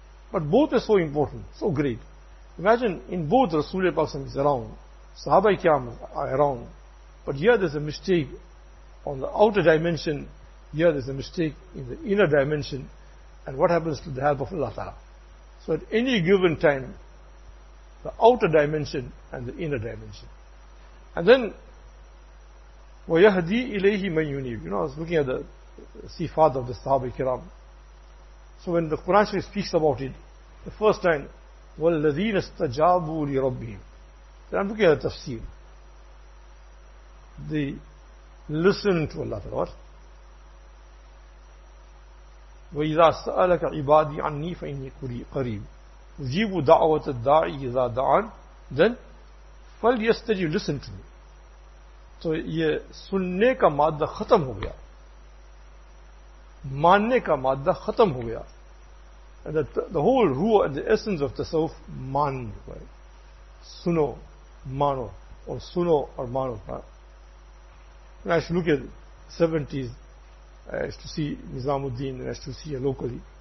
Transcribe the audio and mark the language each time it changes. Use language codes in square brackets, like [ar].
[en] But both are so important, so great. Imagine in both Rasulullah is around, Sahaba-i-Kiram are around, but here there's a mistake on the outer dimension, here there's a mistake in the inner dimension, and what happens to the help of Allah Ta'ala? So at any given time, the outer dimension and the inner dimension. [ar] And then, وَيَهْدِي إِلَيْهِ مَنْ يُنِيبُ. [en] You know, I was looking at the sifat of the Sahaba-i-Kiram. So when the Quran speaks about it, the first time, [ar] وَالَّذِينَ اسْتَجَابُوا لِرَبِّهِمْ. [en] Then I'm looking at the tafsir. They listen to Allah Ta'ala. [ar] وَإِذَا سَأَلَكَ عِبَادِي عَنِّي فَإِنِّي قَرِيبُ اُجِيبُ دَعْوَةَ الدَّاعِي إِذَا دَعَانْ. [en] Then [ar] فَلْيَسْتَجِي. [en] Listen to me. So [ur] یہ سننے کا مادہ ختم ہو گیا, ماننے کا مادہ ختم ہو گیا. [en] And the whole ruh and the essence of the tasawuf, man, right? [ur] Suno, mano, or suno or mano. [en] When I used to look at the 70s, I used to see Nizamuddin, and I used to see it locally.